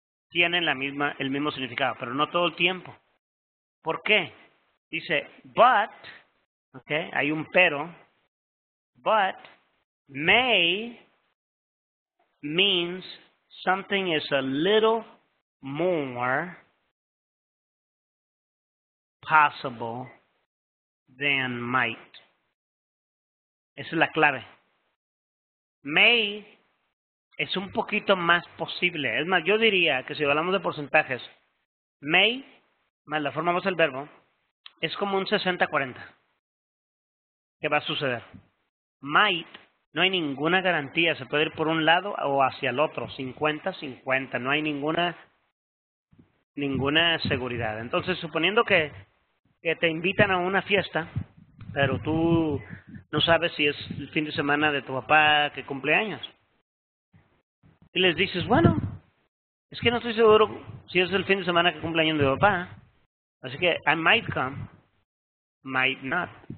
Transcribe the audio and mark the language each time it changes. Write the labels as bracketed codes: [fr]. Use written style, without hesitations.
[es] Tienen el mismo significado, pero no todo el tiempo. ¿Por qué? Dice, [en] but, okay, [es] hay un pero, [en] but may means something is a little more possible than might. [es] Esa es la clave. May es un poquito más posible. Es más, yo diría que si hablamos de porcentajes, may, más la forma más del verbo, es como un 60-40. ¿Qué va a suceder? Might, no hay ninguna garantía. Se puede ir por un lado o hacia el otro. 50-50. No hay ninguna seguridad. Entonces, suponiendo que te invitan a una fiesta, pero tú no sabes si es el fin de semana de tu papá que cumple años. Y les dices, bueno, es que no estoy seguro si es el fin de semana que cumple años de tu papá. Así que, [en] I might come, might not.